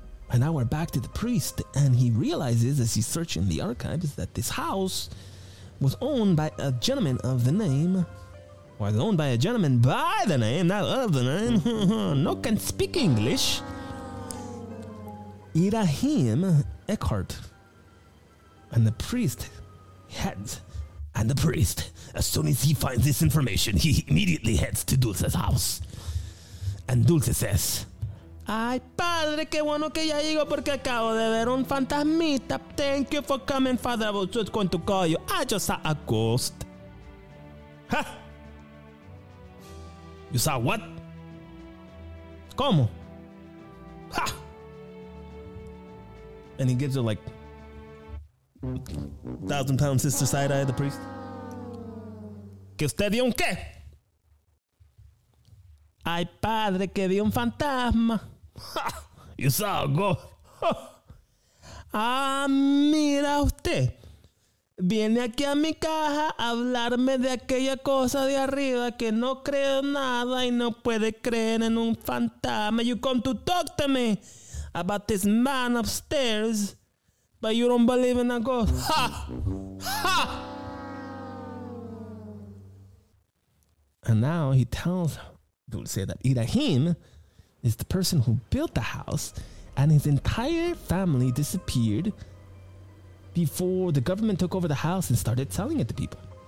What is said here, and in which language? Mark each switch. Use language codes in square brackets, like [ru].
[en] And now we're back to the priest, and he realizes as he's searching the archives that this house was owned by a gentleman of the name, was owned by a gentleman by the name, not of the name, no can speak English, Ibrahim Eckhart. And the priest heads. And the priest, as soon as he finds this information, he immediately heads to Dulce's house. And Dulce says, [es] Ay, padre, qué bueno que ya llego porque acabo de ver un fantasmita. [en] Thank you for coming, father. I was just going to call you. I just saw a ghost. Ha! You saw what? [es] ¿Cómo? Ha! [en] And he gives her like 1,000-pound sister side eye of the priest. [es] ¿Que usted dio un qué? Ay, padre, que vi un fantasma. [en] Ha, you saw a ghost. [es] Mira usted. Viene aquí a mi caja a hablarme de aquella cosa de arriba que no creo nada y no puede creer en un fantasma. [en] You come to talk to me about this man upstairs, but you don't believe in a ghost. Ha! Ha! And now he tells her. Dulce say that Ibrahim is the person who built the house, and his entire family disappeared before the government took over the house and started selling it to people.